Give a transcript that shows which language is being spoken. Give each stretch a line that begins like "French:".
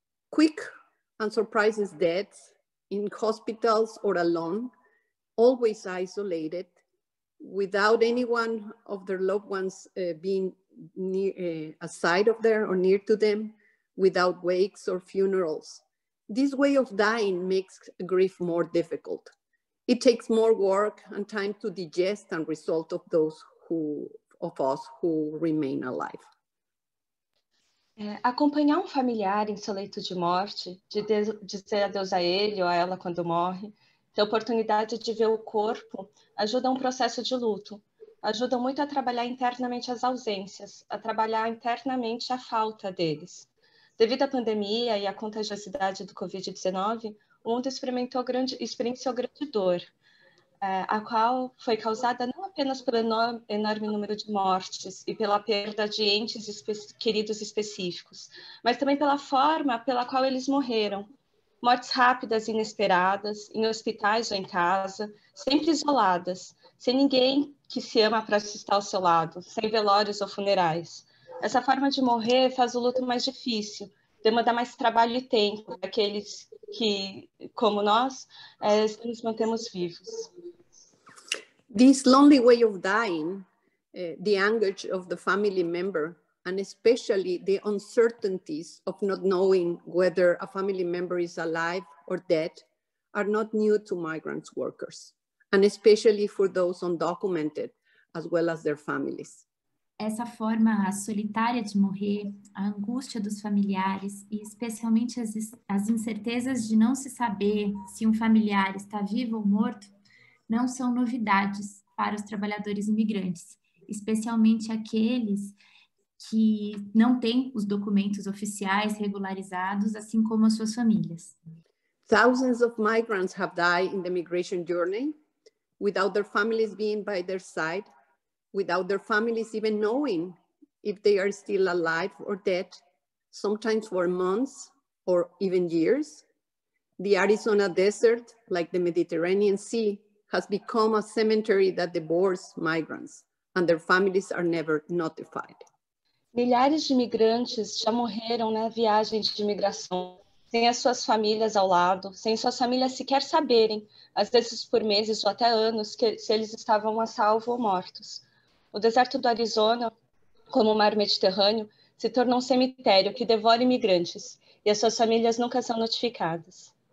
English: Quick and surprising deaths in hospitals or alone, always isolated, without anyone of their loved ones being near aside of there or near to them, without wakes or funerals. This way of dying makes grief more difficult. It takes more work and time to digest and resolve of those of us who remain alive.
Portuguese: Acompanhar familiar em seu leito de morte, de dizer adeus a ele ou a ela quando morre, ter oportunidade de ver o corpo ajuda um processo de luto. Ajuda muito a trabalhar internamente as ausências, a trabalhar internamente a falta deles. Devido à pandemia e à contagiosidade do COVID-19, o mundo experienciou grande dor, a qual foi causada não apenas pelo enorme número de mortes e pela perda de entes queridos específicos, mas também pela forma pela qual eles morreram. Mortes rápidas e inesperadas, em hospitais ou em casa, sempre isoladas, sem ninguém que se ama para estar ao seu lado, sem velórios ou funerais. Essa forma de morrer faz o luto mais difícil, demanda mais trabalho e tempo daqueles que, como nós, nos mantemos vivos.
English: This lonely way of dying, the anguish of the family member, and especially the uncertainties of not knowing whether a family member is alive or dead, are not new to migrant workers, and especially for those undocumented, as well as their families.
Portuguese: Essa forma solitária de morrer, a angústia dos familiares e especialmente as incertezas de não se saber se familiar está vivo ou morto, não são novidades para os trabalhadores imigrantes, especialmente aqueles que não têm os documentos oficiais regularizados, assim como as suas famílias.
English: Thousands of migrants have died in the migration journey without their families being by their side, without their families even knowing if they are still alive or dead, sometimes for months or even years. The Arizona desert, like the Mediterranean Sea, has become a cemetery that devours migrants, and their families are never notified.
Portuguese: Milhares de migrantes já morreram na viagem de imigração, sem as suas famílias ao lado, sem suas famílias sequer saberem, às vezes por meses ou até anos, que, se eles estavam a salvo ou mortos. O deserto do Arizona, como o mar Mediterrâneo, se tornou um cemitério que devora imigrantes, e as suas famílias nunca são notificadas.